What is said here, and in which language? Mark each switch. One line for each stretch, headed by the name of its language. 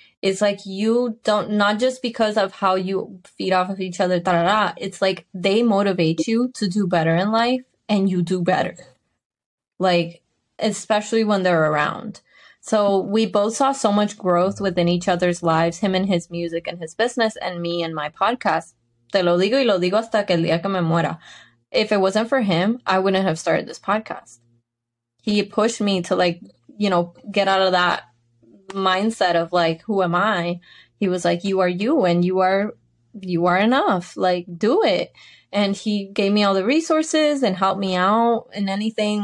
English: It's like you don't, not just because of how you feed off of each other, it's like they motivate you to do better in life and you do better. Like, especially when they're around. So we both saw so much growth within each other's lives, him and his music and his business, and me and my podcast.
Spanish: Te lo digo y lo digo hasta que el día que me muera.
English: If it wasn't for him, I wouldn't have started this podcast. He pushed me to, like, you know, get out of that mindset of, like, who am I? He was like, you are you, and you are enough. Like, do it. And he gave me all the resources and helped me out in anything.